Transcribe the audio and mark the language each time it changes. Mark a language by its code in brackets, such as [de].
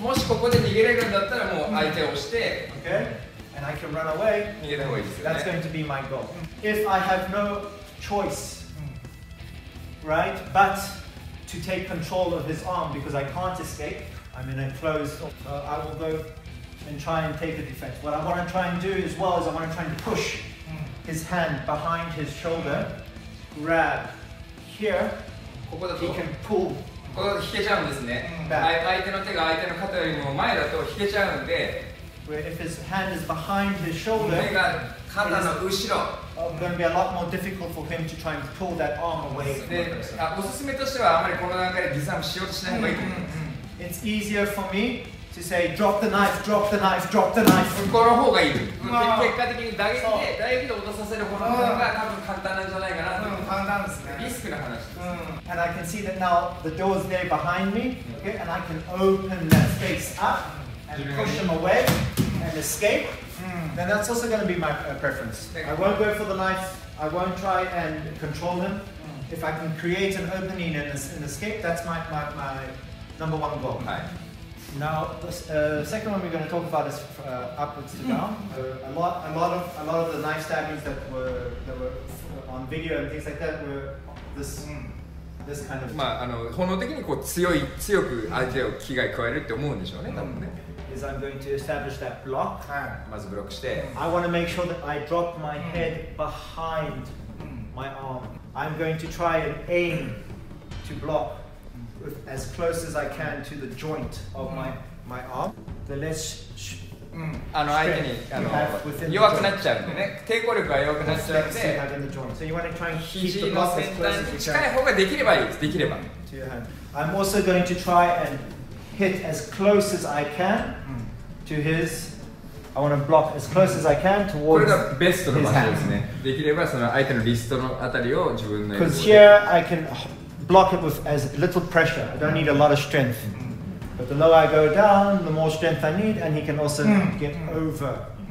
[ja] もしここで逃げれるんだったらもう相手を押して。 [en] Okay, and I can run away. [ja] 逃げた方がいいですよね。 [en] That's going to be my goal. If I have no choice, right, but to take control of his arm because I can't escape, I'm in a closed, I will go and try and take the defense. What I want to try and do as well is I want to try and push. His hand behind his shoulder, grab here. [ja] ここだと [en] he can pull. [ja] ここだと引けちゃうんですね。相手の手が相手の肩よりも前だと引けちゃうんで。 [en] Where if his hand is behind his shoulder, [ja] 肩の後ろ。 [en] It's going to be a lot more difficult for him to try and pull that arm away. [ja] おすすめとしてはあまりこの段階でギザムしようとしない方がいいと思います。 [en] It's easier for me. To say, drop the knife, drop the knife, drop the knife. [ja] ここの方がいい。結果的に打撃で、打撃で落とさせる方が多分簡単なんじゃないかな。簡単ですね。リスクの話です。 [en] And I can see that now the door's there behind me, okay? And I can open that face up and push him away and escape. Then that's also going to be my preference. I won't go for the knife. I won't try and control him. If I can create an opening and escape, that's my number one goal. Now, the second one we're going to talk about is upwards to down. A lot of the knife stabbings that were on video and things like that were this, this kind of. [ja] まあ本能的にこう強く相手を危害加えるって思うんでしょうね、多分ね。 [en] Is I'm going to establish that block. [ja] まずブロックして。 [en] I want to make sure that I drop my head behind my arm. I'm going to try and aim to block. As close as I can to the joint of my arm, the less strength you have within the joint. [ja] 弱くなっちゃうんでね。抵抗力が弱くなっちゃうんで。 [en] So you want to try and keep the block as close as you can. [ja] 近い方ができればいいです。できれば。 [en] I'm also going to try and hit as close as I can to his. I want to block as close as I can towards his hand. [ja] これがベストの場所ですね。できればその相手のリストのあたりを自分の。 [en] Because here I can. Block it with as little pressure. I don't need a lot of strength. But the lower I go down, the more strength I need, and he can also get over.